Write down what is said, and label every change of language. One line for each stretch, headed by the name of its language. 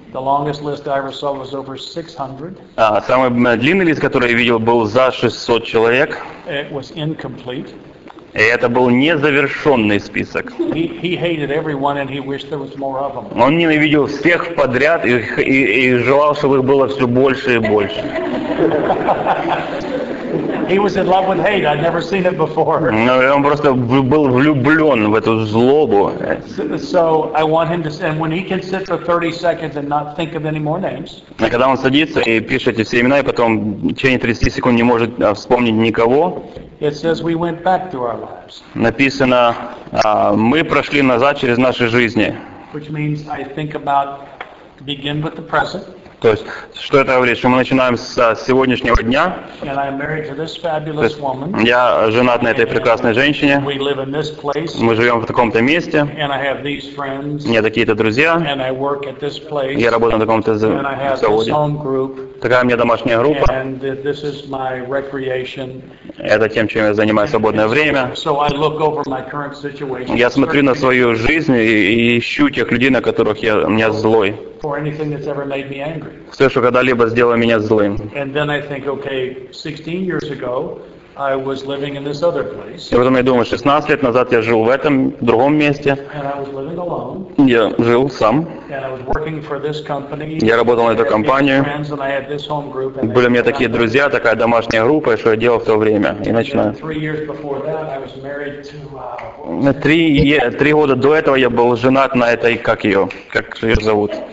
English: The longest list I ever saw was over 600.
Russian: Самый длинный лист, который я видел, был за 600 человек.
English: It was incomplete.
Russian: И это был незавершенный список.
English: He hated everyone, and he wished there was more of them.
Russian: Он ненавидел всех подряд и желал, чтобы их было все больше и больше.
English: He was in love with hate. I'd never seen it before.
Russian: Ну, он просто был влюблен в эту злобу.
English: So I want him to, and when he can sit for 30 seconds and not think of any more names.
Russian: А когда он садится и пишет эти все имена, и потом в течение 30 секунд не может вспомнить никого.
English: It says we went back through our lives.
Russian: Написано, мы прошли назад через наши жизни.
English: Which means I think about begin with the present.
Russian: То есть, что это говорит, что мы начинаем с сегодняшнего дня.
English: And I'm married to this fabulous woman.
Russian: Я женат на этой прекрасной женщине.
English: We live in this place.
Russian: Мы живем в таком-то месте.
English: And I have these friends.
Russian: У меня такие-то друзья.
English: And I work at this place.
Russian: Я работаю на таком-то заводе. Такая у меня домашняя группа.
English: And this is my recreation.
Russian: Это тем, чем я занимаюсь в свободное время.
English: So I look over my current situation.
Russian: Я смотрю на свою жизнь и ищу тех людей, на которых я, у меня злой.
English: For anything that's ever made me angry.
Russian: Все, что когда-либо сделало меня злым.
English: And then I think, okay, 16 years ago, I was living in this other place.
Russian: И потом я думаю, 16 лет назад я жил в этом другом месте.
English: And I was living alone.
Russian: Я жил сам.
English: And I was working for this company.
Russian: Я работал на эту компанию.
English: Friends, and I had this home group.
Russian: Были у меня такие друзья, такая домашняя группа, что я делал в то время. И начинаю.
English: Three years before that, I was married to.
Russian: Три года до этого я был женат на этой, как ее, как ее зовут.